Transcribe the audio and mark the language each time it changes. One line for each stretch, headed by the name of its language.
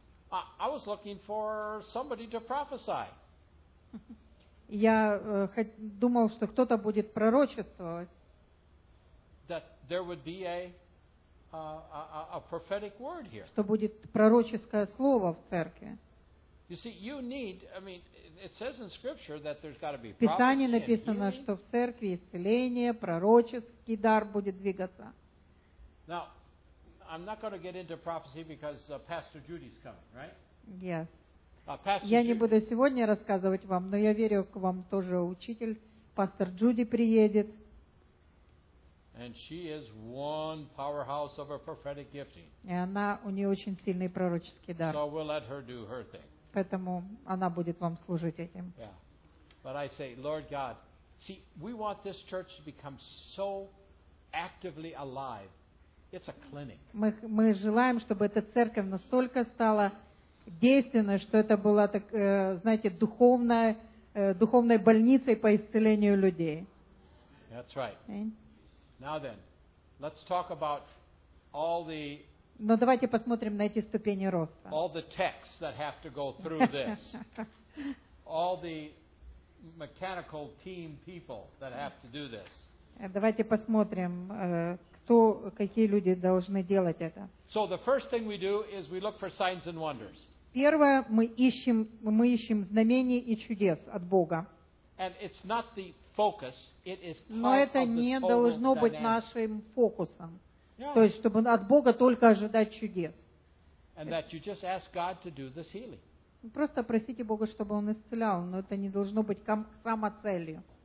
English: I was looking for somebody to prophesy.
Russian: Я думал, что кто-то будет пророчествовать.
English: That there would be a a prophetic word here.
Russian: Что будет пророческое слово в церкви.
English: You see, you need, I mean, it says in scripture that there's got to be
Russian: prophecy. В Писании написано, что в церкви исцеление, пророческий дар будет двигаться.
English: Now, I'm not going to get into prophecy because Pastor Judy's coming, right? Yes. Pastor
Russian: Judy. Я не буду сегодня рассказывать вам, но я верю, к вам тоже учитель, пастор Джуди приедет.
English: And she is one powerhouse of her prophetic gifting.
Russian: И она, у нее очень сильный пророческий дар.
English: So we'll let her do her thing.
Russian: Поэтому она будет вам служить этим.
English: Yeah. But I say, Lord God, see, we want this church to become so actively alive. It's a clinic.
Russian: Мы желаем, чтобы эта церковь настолько стала действенной, что это была, так, знаете, духовной больницей по исцелению людей.
English: That's right. Now then, let's talk about all the.
Russian: Но давайте посмотрим на эти ступени роста.
English: All the texts that have to go through this. All the mechanical team people that have to do this.
Russian: Давайте посмотрим, какие люди должны делать это.
English: So the first thing we do is we look for signs and wonders.
Russian: Первое, мы ищем знамения и чудес от Бога.
English: And it's not the focus, it is part of the
Russian: Но это не должно быть нашим фокусом.
English: Yeah.
Russian: То есть, чтобы от Бога только ожидать чудес.
English: And that you just ask God to do this healing.
Russian: Просто просите Бога, чтобы Он исцелял, но это не должно быть самоцелью.